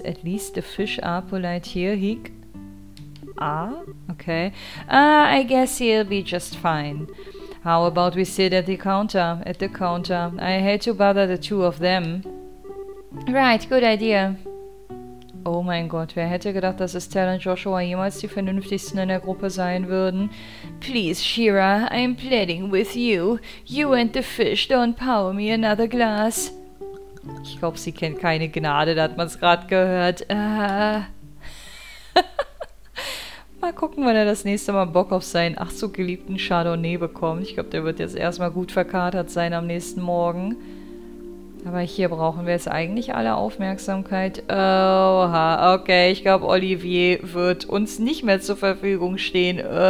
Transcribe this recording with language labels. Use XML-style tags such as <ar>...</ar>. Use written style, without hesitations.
<en>At least the fish are polite here, Heek? Ah, okay. I guess he'll be just fine. How about we sit at the counter? At the counter. I hate to bother the two of them. Right, good idea.</en> <de>Oh mein Gott, wer hätte gedacht, dass Estelle und Joshua jemals die Vernünftigsten in der Gruppe sein würden?</de> <en>Please, Shira, I'm pleading with you. You and the fish don't power me another glass.</en> <de>Ich glaube, sie kennt keine Gnade, da hat man es gerade gehört. Mal gucken, wann er das nächste Mal Bock auf seinen ach so geliebten Chardonnay bekommt. Ich glaube, der wird jetzt erstmal gut verkatert sein am nächsten Morgen. Aber hier brauchen wir jetzt eigentlich alle Aufmerksamkeit. Oha, okay, ich glaube, Olivier wird uns nicht mehr zur Verfügung stehen.</de>